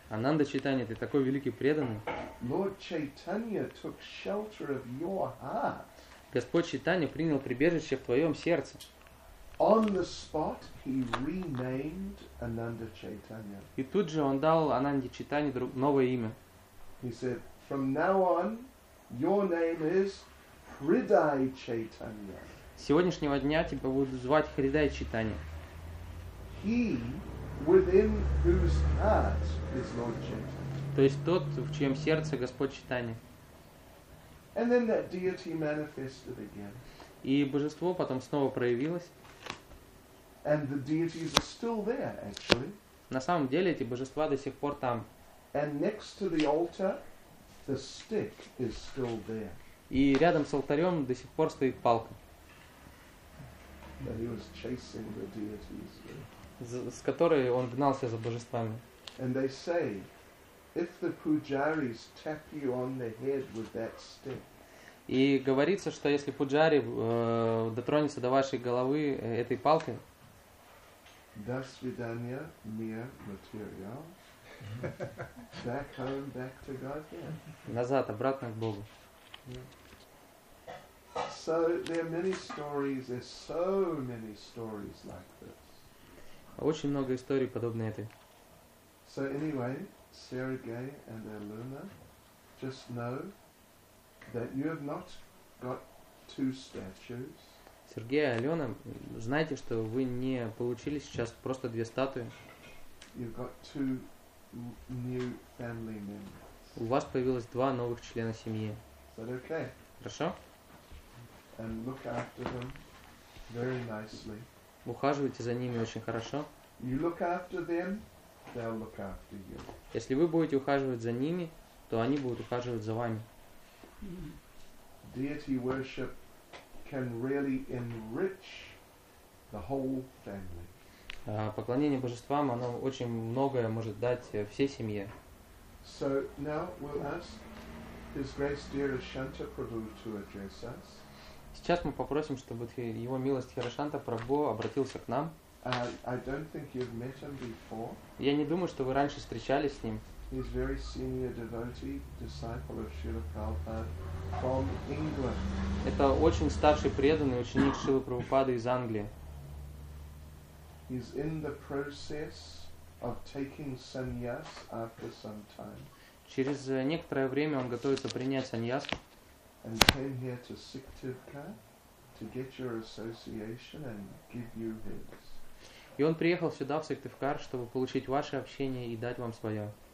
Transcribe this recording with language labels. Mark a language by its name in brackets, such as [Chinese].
[Russian] Ананда Чайтанья, ты такой великий преданный. [English] Lord Chaitanya took shelter of your heart. [Russian] Господь Чайтанья принял прибежище в твоем сердце. [English] On the spot, he renamed Ananda Chaitanya. [Russian] И тут же он дал Ананде Чайтанье новое имя. [English] He said, "From now on, your name is Hriday Chaitanya." [Russian] С сегодняшнего дня тебя будут звать Хридай Чайтанья. [English] He, within whose heart is Lord Chaitanya. [Russian] То есть тот, в чьем сердце Господь Чайтанья. [English] And then that deity manifested again. [Russian] И божество потом снова проявилось. [English] And the deities are still there, actually. [Russian] На самом деле эти божества до сих пор там. [English] And next to the altar, the stick is still there. [Russian] И рядом с алтарем до сих пор стоит палка. [English] That he was chasing the deities. [Russian] С которой он гнался за божествами. [English] And they say, if the pujaris tap you on the head with that stick. [Russian] И говорится, что если пуджари дотронется до вашей головы этой палкой. До свидания, мир, материал. [English] Back home, back to God. Yeah. [Russian] Назад, обратно к Богу. [English] So there are many stories. There's so many stories like this. [Russian] Очень много историй подобных этой. [English] So anyway, Sergey and Aluna, just know that you have not got two statues. [Russian] Сергей и Алена, знайте, что вы не получили сейчас просто две статуи. [English] You've got two new family members. [Russian] У вас появилось два новых члена семьи. [English] Is that okay? [Russian] Хорошо. [English] And look after them very nicely. [Russian] Ухаживайте за ними очень хорошо. [English] You look after them, they'll look after you. [Russian] Если вы будете ухаживать за ними, то они будут ухаживать за вами. [English] Deity worship can really enrich the whole family. [Russian] Поклонение божествам, оно очень многое может дать всей семье. [English] So now we'll ask His Grace Dear Ashanta Prabhu to address us. [Russian] Сейчас мы попросим, чтобы его милость Хирошанта Прабху обратился к нам. [English] I don't think you've met him before. [Russian] Я не думаю, что вы раньше встречались с ним. [English] He's very senior devotee, disciple of Srila Prabhupada from England. [Russian] Это очень старший преданный ученик Шрилы Прабхупады из Англии. [English] He's in the process of taking sannyas after some time. [Russian] Через некоторое время он готовится принять сannyas. [English] And came here to Siktivka to get your association and give you his. [Russian] И он приехал сюда в Сыктывкар, чтобы получить ваше общение и дать вам свое.